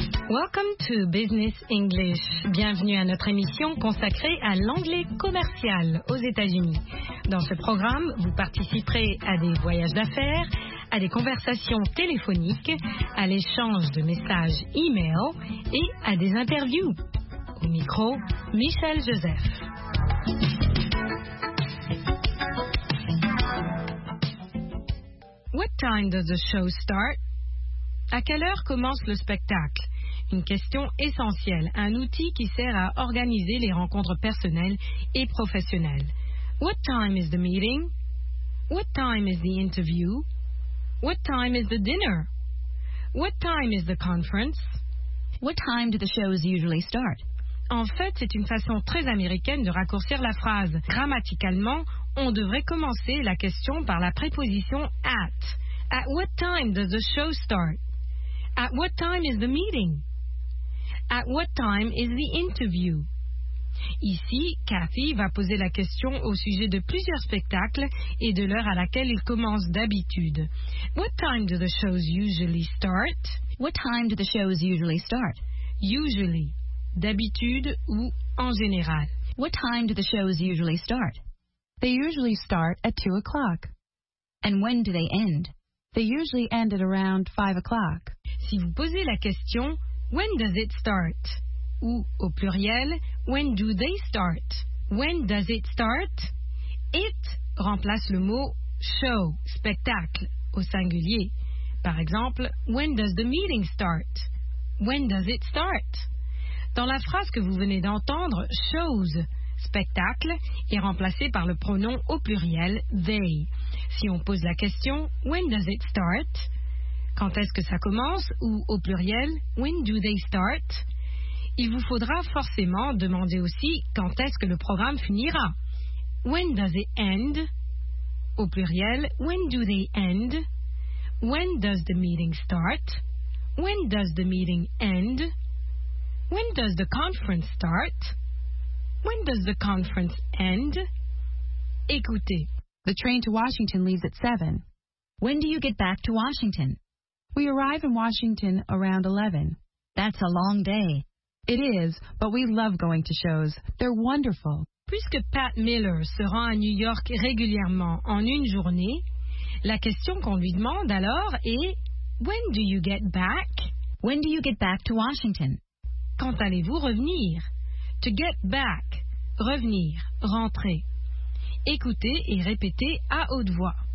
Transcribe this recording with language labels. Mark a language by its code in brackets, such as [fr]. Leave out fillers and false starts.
[en] Welcome to Business English. [fr] Bienvenue à notre émission consacrée à l'anglais commercial aux États-Unis. Dans ce programme, vous participerez à des voyages d'affaires, à des conversations téléphoniques, à l'échange de messages e-mail et à des interviews. Au micro, Michel Joseph. [en] What time does the show start? [fr] À quelle heure commence le spectacle? Une question essentielle, un outil qui sert à organiser les rencontres personnelles et professionnelles. [en] What time is the meeting? What time is the interview? What time is the dinner? What time is the conference? What time do the shows usually start? [fr] En fait, c'est une façon très américaine de raccourcir la phrase. Grammaticalement, on devrait commencer la question par la préposition at. [en] At what time does the show start? At what time is the meeting? At what time is the interview? [fr] Ici, Kathy va poser la question au sujet de plusieurs spectacles et de l'heure à laquelle ils commencent d'habitude. [en] What time do the shows usually start? What time do the shows usually start? Usually. [fr] D'habitude ou en général. [en] What time do the shows usually start? They usually start at 2 o'clock. And when do they end? They usually end at around 5 o'clock. [fr] Si vous posez la question, [en] when does it start? [fr] Ou au pluriel, [en] when do they start? When does it start? [fr] It remplace le mot show, spectacle, au singulier. Par exemple, [en] when does the meeting start? When does it start? [fr] Dans la phrase que vous venez d'entendre, shows, spectacle, est remplacé par le pronom au pluriel, they. Si on pose la question, [en] when does it start? [fr] Quand est-ce que ça commence? Ou au pluriel, [en] when do they start? [fr] Il vous faudra forcément demander aussi quand est-ce que le programme finira. [en] When does it end? [fr] Au pluriel, [en] when do they end? When does the meeting start? When does the meeting end? When does the conference start? When does the conference end? Écoutez. The train to Washington leaves at 7. When do you get back to Washington? We arrive in Washington around 11. That's a long day. It is, but we love going to shows. They're wonderful. [fr] Puisque Pat Miller se rend à New York régulièrement en une journée, la question qu'on lui demande alors est [en] When do you get back? When do you get back to Washington? [fr] Quand allez-vous revenir? [en] To get back. [fr] Revenir. Rentrer. Écoutez et répétez à haute voix.